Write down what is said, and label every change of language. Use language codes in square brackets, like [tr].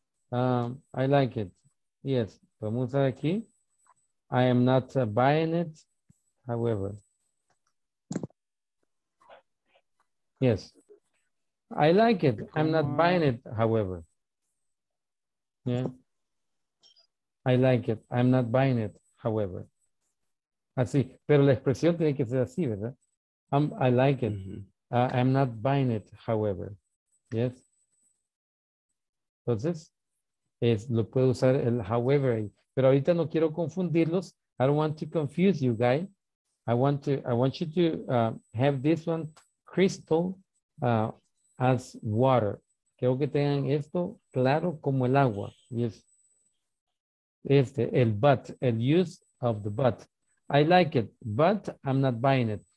[en] I like it. Yes, [es] podemos usar aquí. [en] I am not buying it, however. Yes. I like it. I'm not buying it, however. Yeah. I like it. I'm not buying it, however. [es] Así, pero la expresión tiene que ser así, ¿verdad? [en] I like it. Mm-hmm. I'm not buying it, however. Yes. [es] Entonces, lo puedo usar el however. Pero ahorita no quiero confundirlos. [en] I don't want to confuse you guys. I want you to have this one crystal as water. [es] Quiero que tengan esto claro como el agua. [en] Yes. El use of the but. I like it, but I'm not buying it.